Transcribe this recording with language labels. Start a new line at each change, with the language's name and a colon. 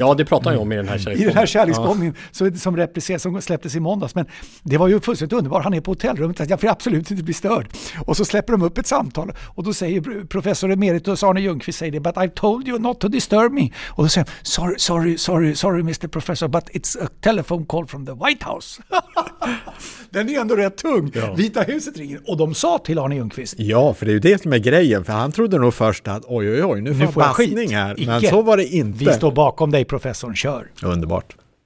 Swedish: Ja, det pratar jag om i den här kärleksbombningen. I den här kärleksbombningen som släpptes i måndags. Men det var ju fullständigt underbart. Han är på hotellrummet, att jag får absolut inte bli störd. Och så släpper de upp ett samtal och då säger professor emeritus Arne Ljungqvist, säger det,
English: but I told you not to disturb me.
Swedish: Och då säger han,
English: sorry Mr. Professor, but it's a telephone call from the White House.
Swedish: Den är ändå rätt tung. Ja. Vita huset ringer. Och de sa till Arne Ljungqvist. Ja, för det är ju det som är grejen. För han trodde nog först att oj, nu får jag passning här. Icke. Men så var det inte. Vi står bakom dig, professorn. Kör. Underbart.